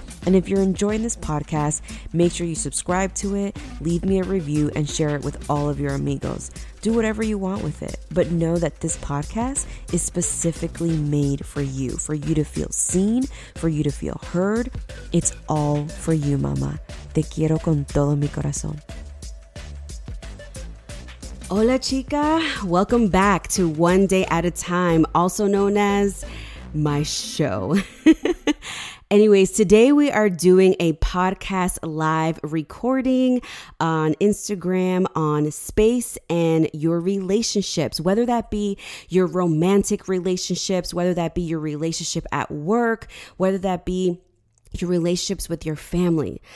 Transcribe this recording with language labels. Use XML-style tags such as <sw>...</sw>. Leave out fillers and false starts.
<en>And if you're enjoying this podcast, make sure you subscribe to it, leave me a review, and share it with all of your amigos. Do whatever you want with it. But know that this podcast is specifically made for you to feel seen, for you to feel heard. It's all for you, mama.</en> <es>Te quiero con todo mi corazón. Hola, chica.</es> <en>Welcome back to One Day at a Time, also known as my show. Anyways, today we are doing a podcast live recording on Instagram on space and your relationships, whether that be your romantic relationships, whether that be your relationship at work, whether that be your relationships with your family.</en>